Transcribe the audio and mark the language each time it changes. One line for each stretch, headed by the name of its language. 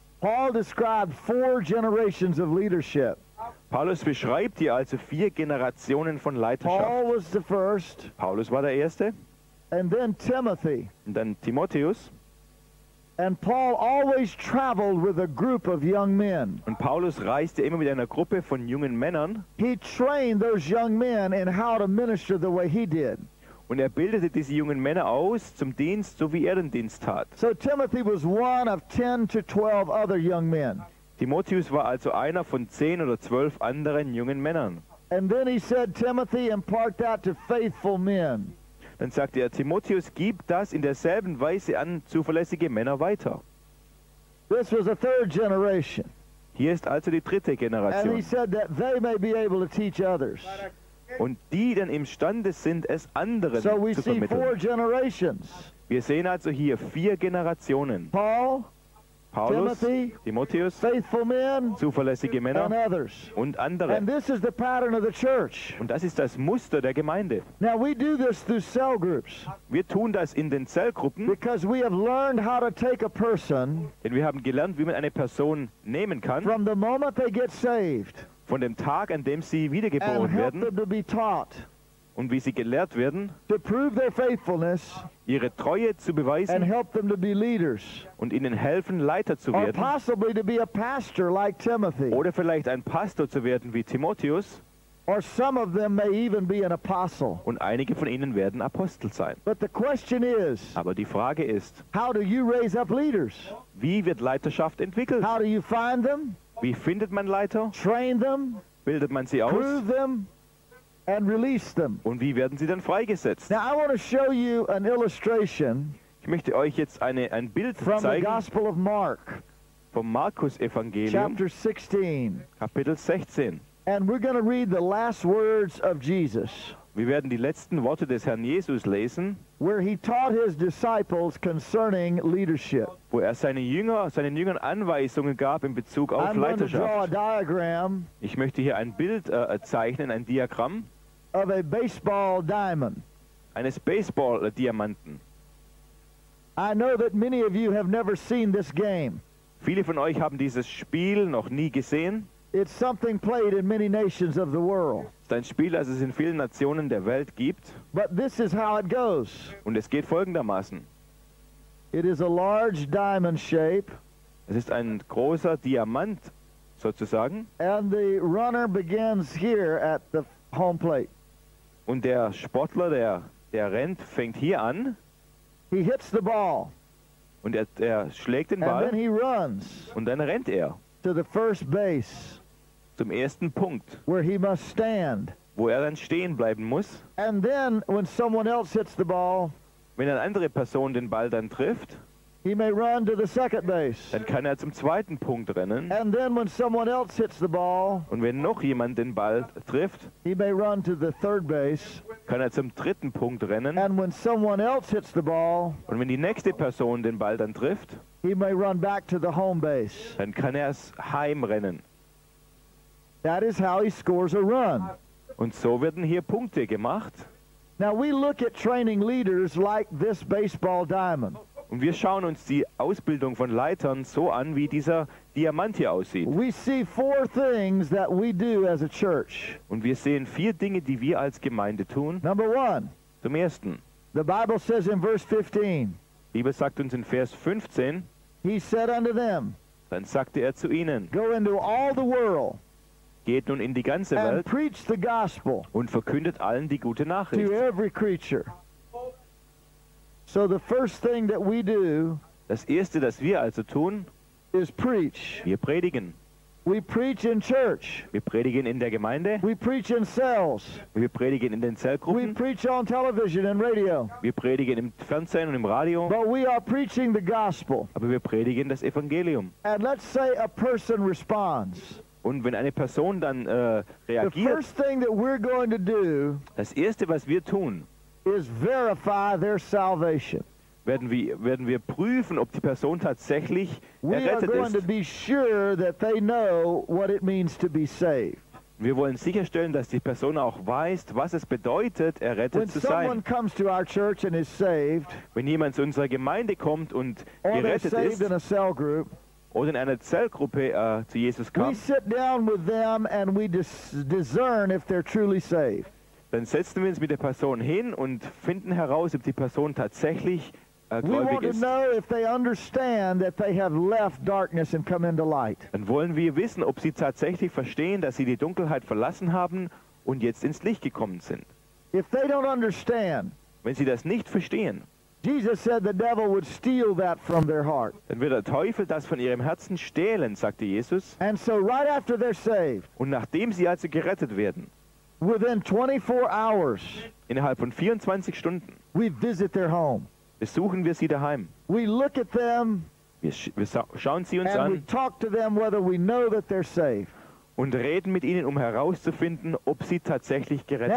English: Paul described four generations of leadership.
German: Paulus beschreibt hier also vier Generationen von Leiterschaft.
English: Paul was the first.
German: Paulus war der erste.
English: And then Timothy.
German: Und dann Timotheus.
English: And Paul always traveled with a group of young men.
German: Und Paulus reiste immer mit einer Gruppe von jungen Männern.
English: He trained those young men in how to minister the way he did.
German: Und er bildete diese jungen Männer aus zum Dienst, so wie er den Dienst tat.
English: So Timothy was one of 10 to 12 other young men.
German: Timotheus war also einer von 10 oder 12 anderen jungen Männern.
English: And then he said, Timothy, impart that to faithful men.
German: Dann sagte er, Timotheus, gib das in derselben Weise an zuverlässige Männer weiter.
English: This was a third generation.
German: Hier ist also die dritte Generation.
English: And he said that they may be able to teach others.
German: Und die dann imstande sind, es anderen so zu vermitteln.
English: Four generations.
German: Wir sehen also hier vier Generationen.
English: Paul,
German: Paulus,
English: Timothy,
German: Timotheus,
English: faithful men,
German: zuverlässige Männer
English: and others.
German: Und andere.
English: And this is the pattern of the church.
German: Und das ist das Muster der Gemeinde.
English: Now we do this through cell groups.
German: Wir tun das in den Zellgruppen.
English: Because we have learned how to take a person,
German: denn wir haben gelernt, wie man eine Person nehmen kann.
English: From the moment they get saved,
German: von dem Tag, an dem sie wiedergeboren
English: and help
German: werden.
English: Them to be taught,
German: und wie sie gelehrt werden.
English: To prove their faithfulness,
German: ihre Treue zu beweisen,
English: and help them to be leaders,
German: und ihnen helfen, Leiter zu werden,
English: or possibly to be a pastor like Timothy,
German: oder vielleicht ein Pastor zu werden wie Timotheus,
English: or some of them may even be an apostle.
German: Und einige von ihnen werden Apostel sein.
English: But the question is,
German: aber die Frage ist,
English: how do you raise up leaders?
German: Wie wird Leiterschaft entwickelt?
English: How do you find them?
German: Wie findet man Leiter?
English: Train them,
German: bildet man sie aus?
English: Prove them. And release them.
German: Und wie werden sie dann freigesetzt?
English: Now I want to show you an illustration.
German: Ich möchte euch jetzt ein Bild
English: from
German: zeigen.
English: The Gospel of Mark,
German: vom Markus Evangelium.
English: Chapter 16.
German: Kapitel 16.
English: And we're going to read the last words of Jesus.
German: Wir werden die letzten Worte des Herrn Jesus lesen.
English: Where he taught his disciples concerning leadership.
German: Wo er seinen Jüngern Anweisungen gab in Bezug auf
English: I'm
German: Leiterschaft.
English: Going to draw a diagram,
German: ich möchte hier ein Bild zeichnen, ein Diagramm.
English: Of a baseball diamond.
German: Eines Baseball-Diamanten.
English: I know that many of you have never seen this game.
German: Viele von euch haben dieses Spiel noch nie gesehen.
English: It's something played in many nations of the world.
German: Ein Spiel, das es in vielen Nationen der Welt gibt.
English: But this is how it goes.
German: Und es geht folgendermaßen.
English: It is a large diamond shape.
German: Es ist ein großer Diamant, sozusagen.
English: And the runner begins here at the home plate.
German: Und der Sportler, der rennt, fängt hier an.
English: He hits the ball.
German: Und er schlägt den Ball.
English: And then he runs.
German: Und dann rennt er.
English: To the first base.
German: Zum ersten Punkt,
English: where he must stand,
German: wo er dann stehen bleiben muss.
English: And then when someone else hits the ball,
German: wenn eine andere Person den Ball dann trifft,
English: he may run to the second base,
German: dann kann er zum zweiten Punkt rennen.
English: And then when someone else hits the ball,
German: und wenn noch jemand den Ball trifft,
English: he may run to the third base,
German: kann er zum dritten Punkt rennen.
English: And when someone else hits the ball,
German: und wenn die nächste Person den Ball dann trifft,
English: he may run back to the home base,
German: dann kann er es heimrennen.
English: That is how he scores a run.
German: Und so werden hier Punkte gemacht.
English: Now we look at training leaders like this baseball diamond.
German: Und wir schauen uns die Ausbildung von Leitern so an, wie dieser Diamant hier aussieht.
English: We see four things that we do as a church.
German: Und wir sehen vier Dinge, die wir als Gemeinde tun.
English: Number one.
German: Zum ersten.
English: The Bible says in verse 15.
German: Die Bibel sagt uns in Vers 15.
English: He said unto them.
German: Dann sagte er zu ihnen.
English: Go into all the world.
German: Geht nun in die ganze Welt
English: and preach the gospel
German: und verkündet allen die gute Nachricht.
English: To every creature. So the first thing that we do,
German: das erste, das wir also tun,
English: is preach.
German: Wir predigen.
English: We preach in church.
German: Wir predigen in der Gemeinde.
English: We preach in cells.
German: Wir predigen in den Zellgruppen.
English: We preach on television and radio.
German: Wir predigen im Fernsehen und im Radio.
English: But we are preaching the gospel.
German: Aber wir predigen das Evangelium.
English: And let's say a person responds.
German: Und wenn eine Person dann reagiert,
English: the first thing that we're going to do,
German: das Erste, was wir tun,
English: is verify their salvation.
German: Werden wir prüfen, ob die Person tatsächlich errettet ist. Wir wollen sicherstellen, dass die Person auch weiß, was es bedeutet, errettet
English: when
German: zu sein.
English: Someone comes to our church and is saved,
German: wenn jemand zu unserer Gemeinde kommt und gerettet ist,
English: in a cell group,
German: oder in einer Zellgruppe zu Jesus kam,
English: we sit down with them and we discern if they're truly saved.
German: Dann setzen wir uns mit der Person hin und finden heraus, ob die Person tatsächlich gläubig ist. Dann wollen wir wissen, ob sie tatsächlich verstehen, dass sie die Dunkelheit verlassen haben und jetzt ins Licht gekommen sind.
English: If they don't understand,
German: wenn sie das nicht verstehen,
English: Jesus said the devil would steal that from their heart.
German: Dann wird der Teufel das von ihrem Herzen stehlen, sagte Jesus.
English: And so right after they're saved,
German: und nachdem sie also gerettet werden,
English: within 24 hours,
German: innerhalb von 24 Stunden,
English: we visit their home.
German: Besuchen wir sie daheim.
English: We look at them,
German: wir schauen sie uns
English: and
German: an,
English: we talk to them whether we know that they're safe.
German: Und reden mit ihnen, um herauszufinden, ob sie tatsächlich gerettet